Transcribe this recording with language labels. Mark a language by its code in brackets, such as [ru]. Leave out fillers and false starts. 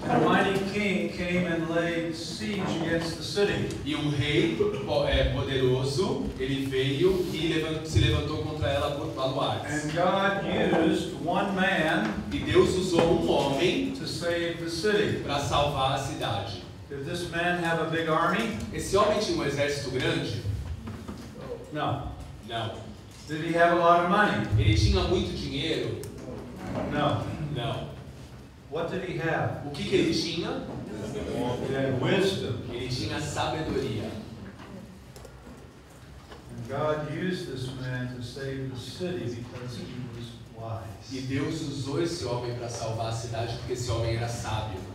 [en] A mighty king came and laid siege against the city. [pt] E um rei poderoso, ele veio e se levantou contra ela com baluartes. [en] And God used one man. [pt] E Deus usou um homem [en] to save the city. [pt] Para salvar a cidade. [en] Did this man have a big army? [pt] Esse homem tinha um exército grande? [en] No. [pt] Não. [en] Did he have a lot of money? [pt] Ele tinha muito dinheiro? [en] No. No. What did he have? [pt] O que ele tinha? [en] He had wisdom. [pt] Ele tinha sabedoria. [en] And God used this man to save the city because he was wise. [pt] E Deus usou esse homem para salvar a cidade porque esse homem era sábio.